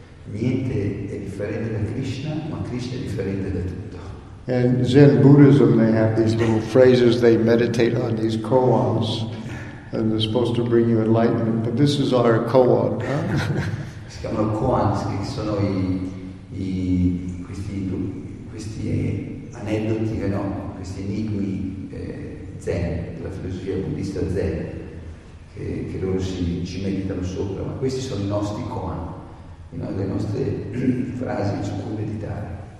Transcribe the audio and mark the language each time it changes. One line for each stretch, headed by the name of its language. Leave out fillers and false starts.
Italian: Niente è differente da Krishna, ma Krishna è differente da tutto.
English: In Zen Buddhism, they have these little phrases they meditate on, these koans, and they're supposed to bring you enlightenment. But this is our koan. Eh?
Italian: Si chiamano koans, che sono questi aneddoti, no, questi enigmi zen, della filosofia buddista zen, che loro ci meditano sopra, ma questi sono i nostri koan, le nostre frasi su cui meditare.